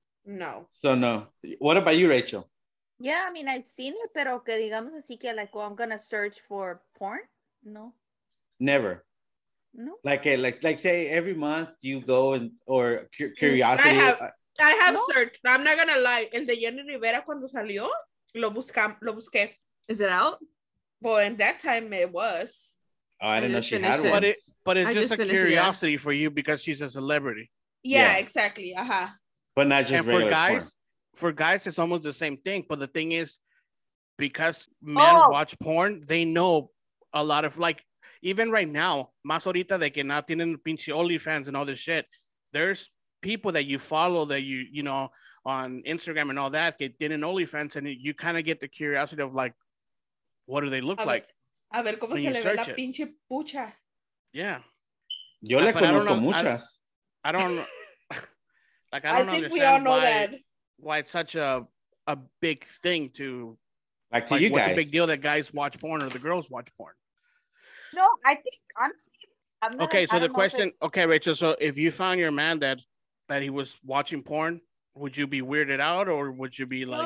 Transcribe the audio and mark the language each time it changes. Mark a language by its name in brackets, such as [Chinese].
[English] No. So no. What about you, Rachel? Yeah, I mean, I've seen it, [Spanish] pero que digamos así que [English] like, well, I'm going to search for porn. No. Never. No. Like say every month you go or curiosity. I have searched. I'm not going to lie. [Spanish] El de Jenny Rivera cuando salió, lo busqué. [English] Is it out? Well, in that time it was. Oh, I didn't know she had one. But it's just a curiosity for you because she's a celebrity. Yeah. Exactly. Uh-huh. But not just for guys. For guys, it's almost the same thing. But the thing is, because men watch porn, they know a lot of, like, even right now, [Spanish] más ahorita de que no tienen pinche OnlyFans [English] and all this shit, there's people that you follow that you know, on Instagram and all that, get in OnlyFans, and you kind of get the curiosity of, like, what do they look like? [Spanish] A ver, ¿cómo se le ve la pinche pucha? [English] Yeah. [Spanish] Yo le conozco muchas. [English] I don't know. I think we all know why. That. Why it's such a big thing to Like, to you what's guys. What's a big deal that guys watch porn or the girls watch porn? No, I think I'm not, okay, so the question, okay, Rachel, so if you found your man that he was watching porn, would you be weirded out or would you be like...